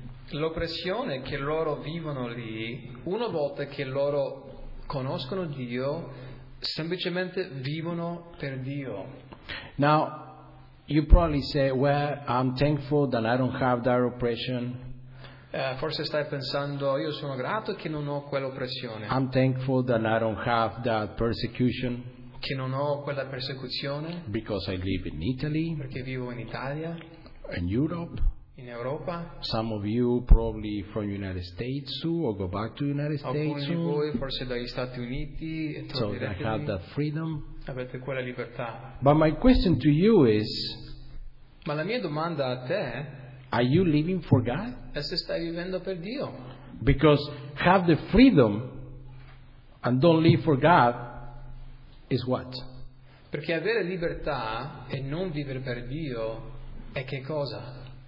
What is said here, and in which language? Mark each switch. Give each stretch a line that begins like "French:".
Italian: L'oppressione che loro vivono lì, una volta che loro conoscono Dio, semplicemente vivono per Dio.
English: Now, you probably say, well, I'm thankful that I don't have that oppression.
Italian: Forse stai pensando, io sono grato che non ho quell'oppressione.
English: I'm thankful that I don't have that persecution.
Italian: Che non ho quella persecuzione.
English: Because I live in Italy.
Italian: Perché vivo in Italia.
English: In Europe.
Italian: In Europa.
English: Some of you probably from United States too, or go back to United States.
Italian: Alcuni di voi forse dagli Stati Uniti.
English: So I have that freedom.
Italian: Avete quella libertà.
English: But my question to you is,
Italian: ma la mia domanda a te,
English: are you living for God?
Italian: E se stai vivendo per Dio?
English: Because have the freedom and don't live for God is what?
Italian: Perché avere libertà e non vivere per Dio è che cosa?